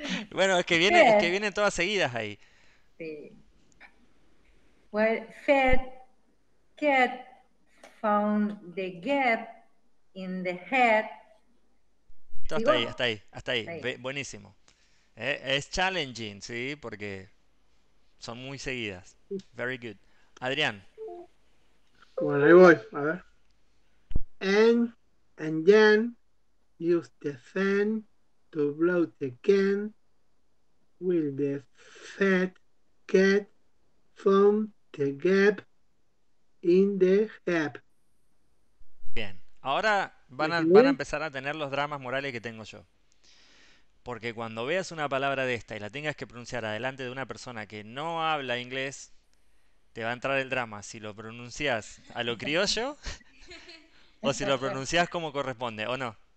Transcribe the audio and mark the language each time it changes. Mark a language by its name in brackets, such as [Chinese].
[Spanish] Bueno, es que vienen todas seguidas ahí. Sí. [English] Well, fat cat found the gap in the head. [Spanish] Todo está ahí, hasta ahí, hasta ahí. Sí. Buenísimo. Es challenging, sí, porque son muy seguidas. [English] Very good. Adrián. [Spanish] Bueno, ahí voy. A ver. [English] And then use the fan to blow the can with the fat cat from the gap in the gap. [Spanish] Bien. Ahora van a empezar a tener los dramas morales que tengo yo. Porque cuando veas una palabra de esta y la tengas que pronunciar adelante de una persona que no habla inglés, te va a entrar el drama si lo pronuncias a lo criollo o si lo pronuncias como corresponde, ¿o no?